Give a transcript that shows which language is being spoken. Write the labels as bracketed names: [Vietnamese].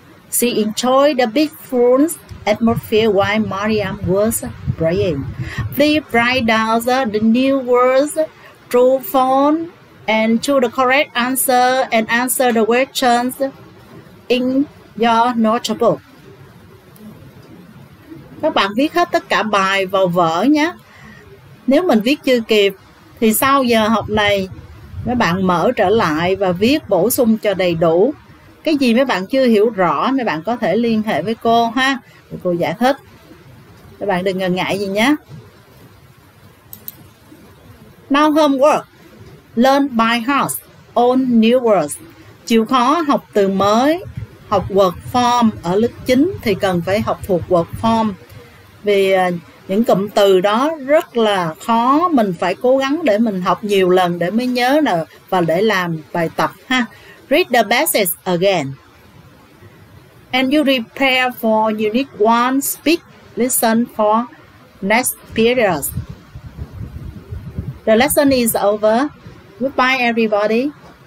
[English] She enjoyed the big fruits atmosphere while Mariam was praying. Please write down the new words through phone and choose the correct answer and answer the questions in your notebook. [Vietnamese] Các bạn viết hết tất cả bài vào vở nhé. Nếu mình viết chưa kịp thì sau giờ học này mấy bạn mở trở lại và viết bổ sung cho đầy đủ. Cái gì mấy bạn chưa hiểu rõ mấy bạn có thể liên hệ với cô ha. Cô giải thích. Các bạn đừng ngần ngại gì nhé. [English] Now homework. Learn by heart all new words. [Vietnamese] chịu khó học từ mới, học word form ở lớp 9 thì cần phải học thuộc word form. Vì những cụm từ đó rất là khó, mình phải cố gắng để mình học nhiều lần để mới nhớ nè và để làm bài tập ha. [English] Read the passage again. And you prepare for unit 1, speak, listen for next period. The lesson is over. Goodbye, everybody.